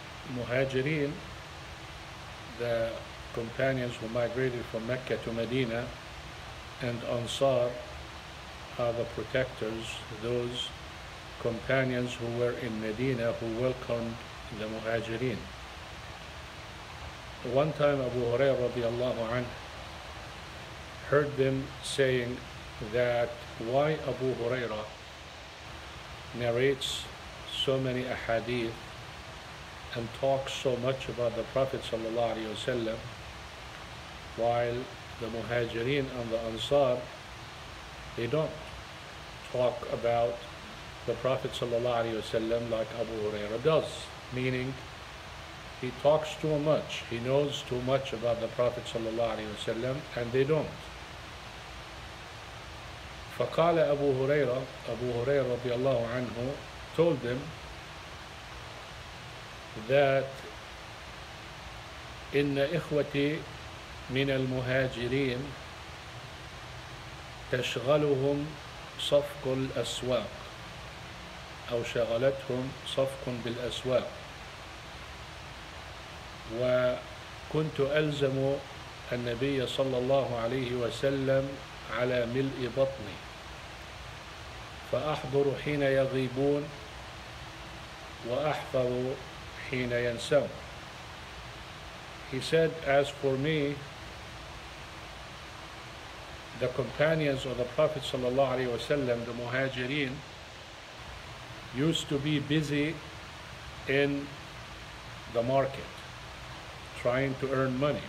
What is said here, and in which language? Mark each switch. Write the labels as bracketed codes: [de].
[en] المهاجرين، the companions who migrated from Mecca to Medina, and Ansar are the protectors, those companions who were in Medina who welcomed the Muhajirin. One time Abu Hurairah radiallahu anhu heard them saying that why Abu Hurairah narrates so many ahadith and talks so much about the Prophet sallallahu alayhi wasallam, while the Muhajirin and the Ansar, they don't talk about the Prophet sallallahu alayhi wasallam like Abu Hurairah does, meaning he talks too much, he knows too much about the Prophet sallallahu alayhi wasallam, and they don't. [ar] فقال أبو هريرة، أبو هريرة رضي الله عنه [en] told them that [ar] إن إخوتي من المهاجرين تشغلهم صفق الأسواق، أو شغلتهم صفق بالأسواق، وكنت ألزم النبي صلى الله عليه وسلم على ملء بطني، فأحضر حين يغيبون وأحفظ حين ينسون. [en] He said, as for me, the companions of the Prophet sallallahu alaihi wasallam, the Muhajirin, used to be busy in the market trying to earn money.